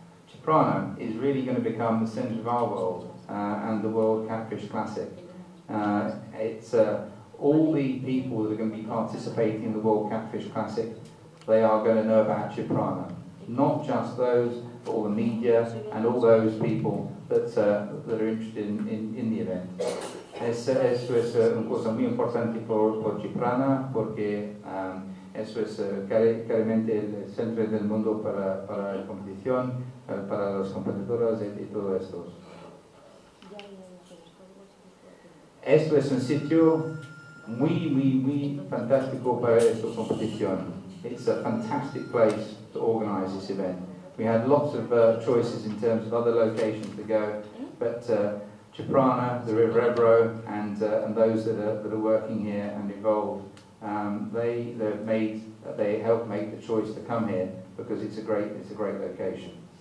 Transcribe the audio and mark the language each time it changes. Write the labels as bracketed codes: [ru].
[en] Ciprana is really going to become the center of our world and the World Catfish Classic. It's all the people that are going to be participating in the World Catfish Classic, they are going to know about Ciprana. Not just those, but all the media and all those people that are interested in the event. [es] Eso es una cosa muy importante por Ciprana, porque eso es claramente el centro del mundo para la competición, para las competidoras y todo esto. Esto es un sitio muy fantástico para esta competición. [en] It's a fantastic place to organize this event. We had lots of choices in terms of other locations to go, but Ciprana, the River Ebro, and those that are working here and involved, they helped make the choice to come here because it's a great location.